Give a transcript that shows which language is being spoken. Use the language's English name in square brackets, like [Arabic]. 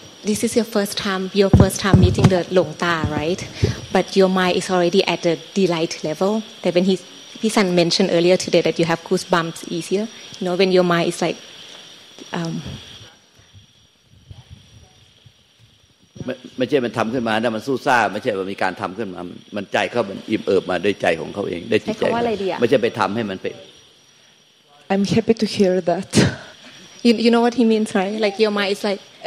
[English] This is your first time meeting the หลวงตา right but your mind is already at the delight level that when Pisan mentioned earlier today that you have goosebumps easier you know when your mind is like [Thai] ไม่ใช่มันทำขึ้นมาแต่มันสู้ซ่าไม่ใช่ว่ามีการทำขึ้นมามันใจเขามันอิ่มเอิบมาด้วยใจของเขาเองด้วยจิตใจ ว่าอะไรดีอ่ะ ไม่ใช่ไปทำให้มันเป็น [English] I'm happy to hear that you know what he means right like your mind is like